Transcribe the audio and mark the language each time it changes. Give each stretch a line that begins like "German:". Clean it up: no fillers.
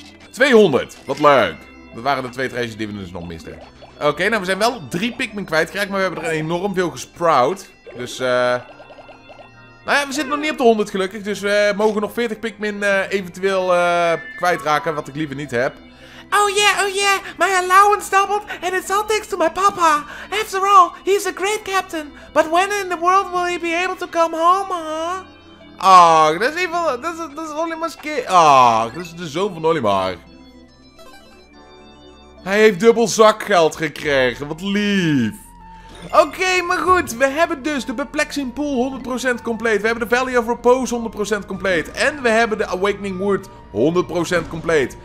Dutch: 200. Wat leuk. Dat waren de twee treasures die we dus nog misten. Oké, nou, we zijn wel 3 Pikmin kwijtgeraakt, maar we hebben er enorm veel gesprout. Dus, nou ja, we zitten nog niet op de 100 gelukkig. Dus we mogen nog 40 Pikmin eventueel kwijtraken. Wat ik liever niet heb.
English: Oh yeah, oh yeah. My allowance doubled. And it's all thanks to my papa. After all, he's a great captain. But when in the world will he be able to come home, huh?
Dutch: Oh, dat is een van... Dat is Olimar's kid. Oh, dat is de zoon van Olimar. Hij heeft dubbel zakgeld gekregen. Wat lief. Oké, maar goed. We hebben dus de Perplexing Pool 100% compleet. We hebben de Valley of Repose 100% compleet. En we hebben de Awakening Wood 100% compleet.